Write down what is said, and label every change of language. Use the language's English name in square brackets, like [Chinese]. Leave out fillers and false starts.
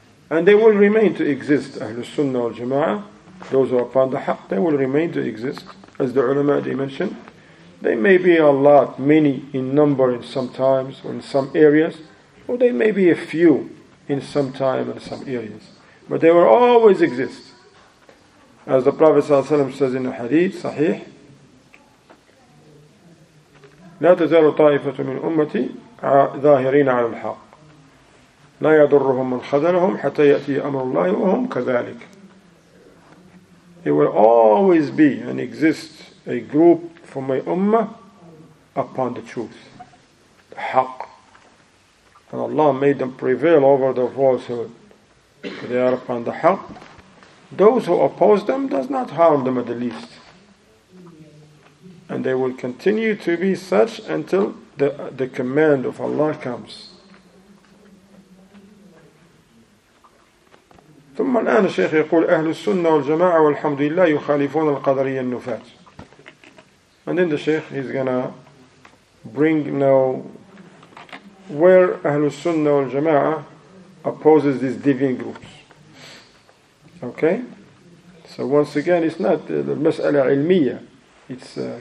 [English] And they will remain to exist, Ahlul Sunnah wal Jama'ah, those who are upon the Haqq, they will remain to exist. As the ulama they mentioned, they may be a lot, many in number in some times or in some areas, or they may be a few in some time and some areas. But they will always exist. As the Prophet sallallahu alaihi wasallam says in a hadith, sahih, [Arabic] لا تزال طائفة من أمتي ظاهرين على الحق لا يضرهم من خذلهم حتى يأتي أمر الله وهم كذلك. [English] It will always be and exist a group for my ummah upon the truth, the haq. And Allah made them prevail over the falsehood. They are upon the haq. Those who oppose them does not harm them at the least. And they will continue to be such until the command of Allah comes. [Arabic] ثم الآن الشيخ يقول أهل السنة والجماعة والحمد لله يخالفون القدرية النفات. [English] And then the Shaykh is gonna bring now where أهل السنة والجماعة opposes these deviant groups. Okay? So once again, it's not the mas'ala ilmiya. It's